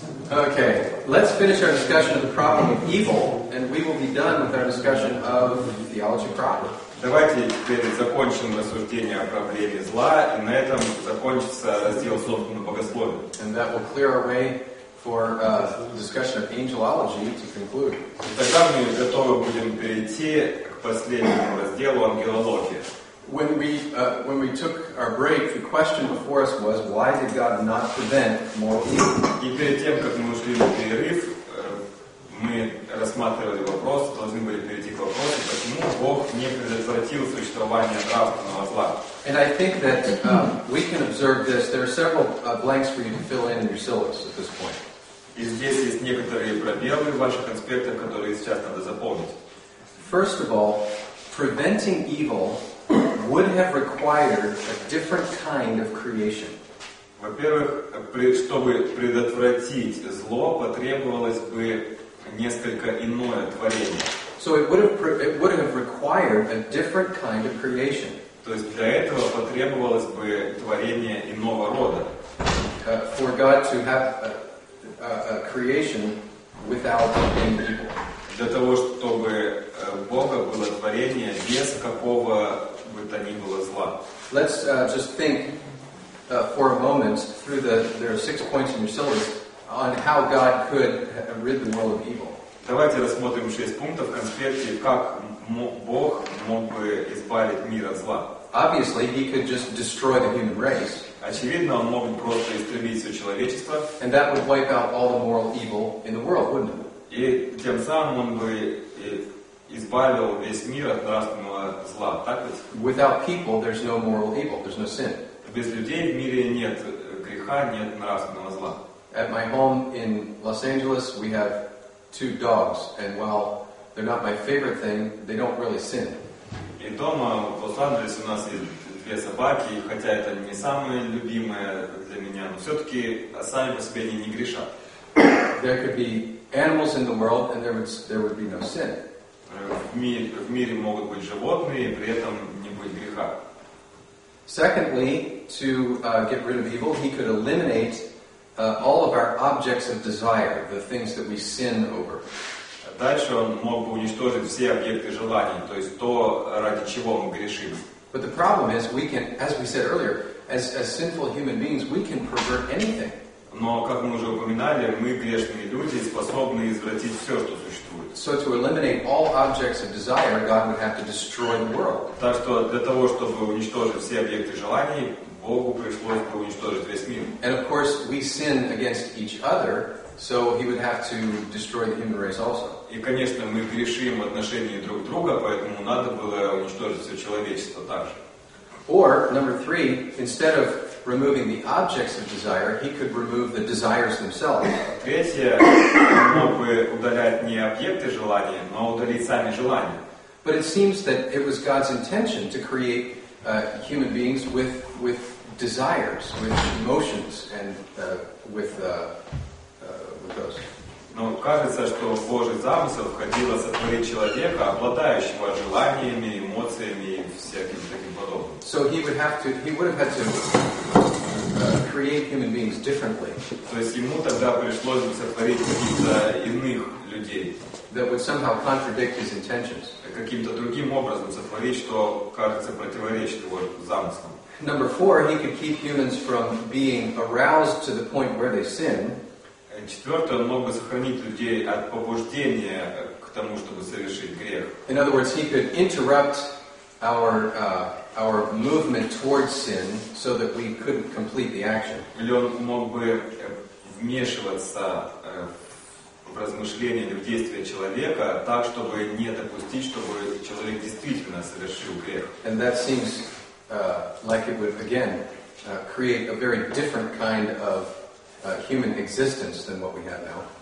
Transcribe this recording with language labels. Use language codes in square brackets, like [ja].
[en] Okay, let's finish our discussion of the problem of evil, and we will be done with our discussion of theology proper. [ru] Давайте теперь закончим рассуждение о проблеме зла, и на этом закончится раздел собственного богословия. [en] And that will clear our way for discussion of angelology to conclude. [ru] И тогда мы готовы будем перейти к последнему разделу ангелологии. [en] When we took our break, the question before us was, why did God not prevent more evil? [ru] И перед тем, как мы ушли на перерыв, мы рассматривали вопрос, должны были перейти к вопросу, почему Бог не предотвратил существование нравственного зла. [en] And I think that we can observe this. There are several blanks for you to fill in your syllabus at this point. [ru] И здесь есть некоторые пробелы в ваших конспектах, которые сейчас надо заполнить. [en] First of all, preventing evil would have required a different kind of creation. [ru] Во-первых, чтобы предотвратить зло, потребовалось бы несколько иное творение. [en] So it would have required a different kind of creation. [ru] То есть для этого потребовалось бы творение иного рода. [en] For God to have a creation without being evil. [ru] Для того, чтобы Бога было творение без какого бы то ни было зла. [en] Let's just think for a moment through the there are six points in your syllabus on how God could rid the world of evil. [ru] Давайте рассмотрим шесть пунктов в конспекте, как Бог мог бы избавить мир от зла. [en] Obviously, he could just destroy the human race. [ru] Очевидно, он мог бы просто истребить все человечество. [en] And that would wipe out all the moral evil in the world, wouldn't it? [ru] И тем самым он бы избавил весь мир от нравственного зла, так ведь? [en] Without people, there's no moral evil, there's no sin. [ru] Без людей в мире нет греха, нет нравственного зла. [en] At my home in Los Angeles, we have two dogs, and while they're not my favorite thing, they don't really sin. [ru] И дома в Лос-Анджелесе у нас есть две собаки, хотя это не самое любимое для меня, но все-таки сами по себе они не грешат. [en] There could be animals in the world, and there would be no sin. [ru] В мире могут быть животные, и при этом не быть греха. [en] Secondly, to get rid of evil, he could eliminate all of our objects of desire, the things that we sin over. [ru] Дальше он мог бы уничтожить все объекты желаний, то есть то, ради чего мы грешим. [en] But the problem is, we can, as we said earlier, as sinful human beings, we can pervert anything. [ru] Но, как мы уже упоминали, мы, грешные люди, способны извратить все, что существует. [en] So to eliminate all objects of desire, God would have to destroy the world. [ru] Так что для того, чтобы уничтожить все объекты желаний, Богу пришлось бы уничтожить весь мир. [en] And of course, we sin against each other, so he would have to destroy the human race also. [ru] И, конечно, мы грешим в отношении друг друга, поэтому надо было уничтожить все человечество также. [en] Or, number three, instead of removing the objects of desire, he could remove the desires themselves. [ru] Третье, мог бы удалять не объекты желания, но удалить сами желания. [en] But it seems that it was God's intention to create human beings with desires, with emotions, and with those. [ru] Но кажется, что Божий замысел входило сотворить человека, обладающего желаниями, эмоциями и всяким таким подобным. [en] So he would have had to create human beings differently. [ru] То есть ему тогда пришлось бы сотворить каких-то иных людей. [en] That would somehow contradict his intentions. [ru] Каким-то другим образом сотворить, что кажется противоречит его замыслам. [en] Number four, he could keep humans from being aroused to the point where they sin. [ru] Четвертое, он мог бы сохранить людей от побуждения к тому, чтобы совершить грех. [en] In other words, he could interrupt our movement towards sin so that we couldn't complete the action. [ru] Или он мог бы вмешиваться в размышления или в действия человека так, чтобы не допустить, чтобы человек действительно совершил грех. [en] And that seems like it would again create a very different kind of human existence than what we have now.